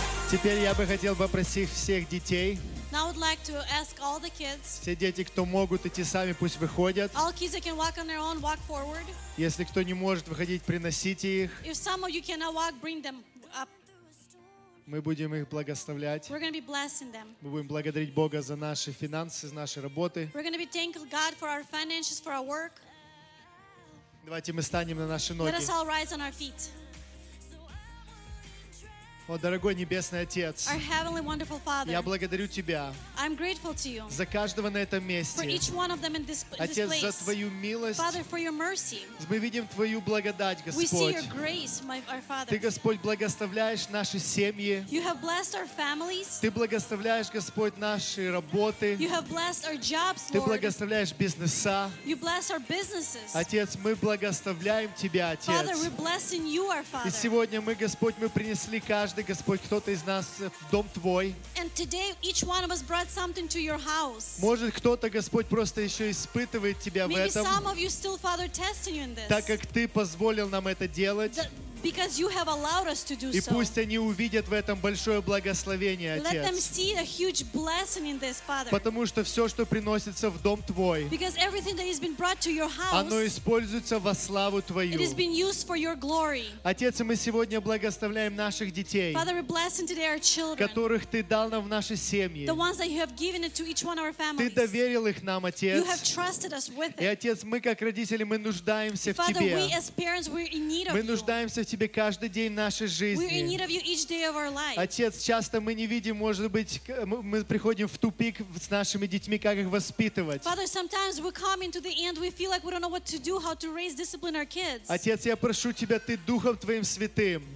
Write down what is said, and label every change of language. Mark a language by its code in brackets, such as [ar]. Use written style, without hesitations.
[ru] Теперь я бы хотел попросить всех детей. [en] Now I would like to ask all the kids. [ru] Все дети, кто могут идти сами, пусть выходят. [en] All kids that can walk on their own, walk forward. [ru] Если кто не может выходить, приносите их. [en] If some of you cannot walk, bring them up. [ru] Мы будем их благословлять. [en] We're going to be blessing them. [ru] Мы будем благодарить Бога за наши финансы, за наши работы. [en] We're going to be thanking God for our finances, for our work. [ru] Давайте мы станем на наши ноги. [en] Let us all rise on our feet. [ru] О, дорогой Небесный Отец, [en] our heavenly, wonderful Father, [ru] я благодарю Тебя [en] I'm grateful to you, [ru] за каждого на этом месте. [en] For each one of them in this, [ru] Отец, [en] place. [ru] За Твою милость. [en] Father, for your mercy. [ru] Мы видим Твою благодать, Господь. [en] We see your grace, our Father. [ru] Ты, Господь, благословляешь наши семьи. [en] You have blessed our families. [ru] Ты благословляешь, Господь, наши работы. [en] You have blessed our jobs, [ru] Ты благословляешь бизнеса. [en] You bless our businesses. [ru] Отец, мы благословляем Тебя, Отец. [en] Father, we're blessing you, our Father. [ru] И сегодня мы, Господь, мы принесли каждый Господь, кто-то из нас в дом Твой. [en] And today each one of us brought something to your house. [ru] Может, кто-то, Господь, просто еще испытывает Тебя [en] Maybe [ru] в этом. [en] Maybe some of you still, Father, testing you in this. [ru] Так как Ты позволил нам это делать. [en] Because you have allowed us to do so. [ru] И пусть они увидят в этом большое благословение, Отец. [en] Let them see a huge blessing in this, Father. [ru] Потому что все, что приносится в дом Твой, [en] Because everything that has been brought to your house, [ru] оно используется во славу Твою. [en] It has been used for your glory. [ru] Отец, мы сегодня благословляем наших детей, [en] Father, we're blessing today our children, [ru] которых Ты дал нам в наши семьи. [en] The ones that you have given it to each one of our families. [ru] Ты доверил их нам, Отец. [en] You have trusted us with it. [ru] И, Отец, мы как родители, мы нуждаемся [en] Father, [ru] в Тебе. [en] Father, we as parents, we're in need of [ru] мы нуждаемся [en] you. [ru] В Тебе каждый день нашей жизни. Отец, часто мы не видим, может быть, мы приходим в тупик с нашими детьми, как их воспитывать. [en] Father, sometimes we come into the end, we feel like we don't know what to do, how to raise discipline our kids. [ru] Отец, я прошу Тебя, Ты Духом Твоим Святым.